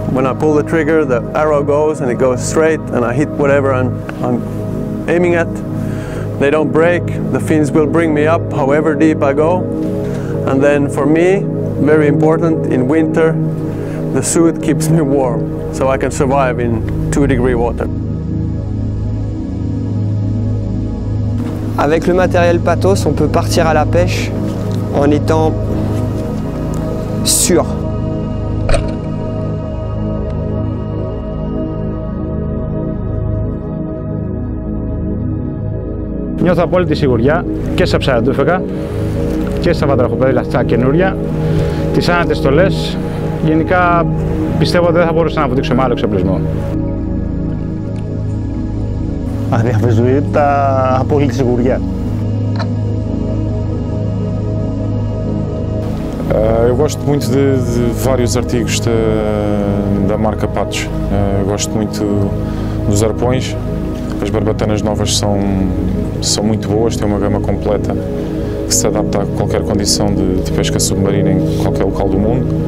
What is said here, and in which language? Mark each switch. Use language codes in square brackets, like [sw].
[en] When I pull the trigger, the arrow goes and it goes straight and I hit whatever I'm aiming at. They don't break, the fins will bring me up however deep I go. And then for me, very important, in winter, the suit keeps me warm so I can survive in 2-degree water. [fr] Avec le matériel Pathos, on peut partir à la pêche en étant sûr. [el] Νιώθω απόλυτη σιγουριά και στα ψαρατούφεκα και στα βατραχοπέδιλα αυτά καινούρια, τις άνετες στολές. Γενικά πιστεύω ότι δεν θα μπορούσα να βουτήξω με άλλο εξοπλισμό. Αδιαφεσβήτητα απόλυτη σιγουριά. [pt] Eu gosto muito de vários artigos da marca Pathos. Gosto muito dos arpões. As barbatanas novas são muito boas, têm uma gama completa que se adapta a qualquer condição de pesca submarina em qualquer local do mundo.